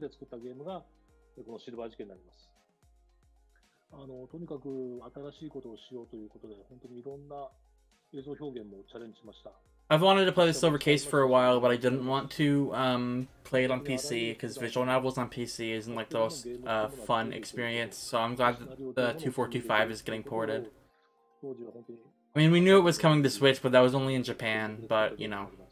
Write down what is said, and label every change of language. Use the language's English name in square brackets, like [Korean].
[English] Oh my god, see the background, calm down. [Japanese] とにかく新しいことをしようということで、本当にいろんな映像表現もチャレンジしました。 [English] I've wanted to play the Silver Case for a while, but I didn't want to play it on PC because visual novels on PC isn't like the most fun experience. So I'm glad that the 2425 is getting ported. I mean, we knew it was coming to Switch, but that was only in Japan. But you know.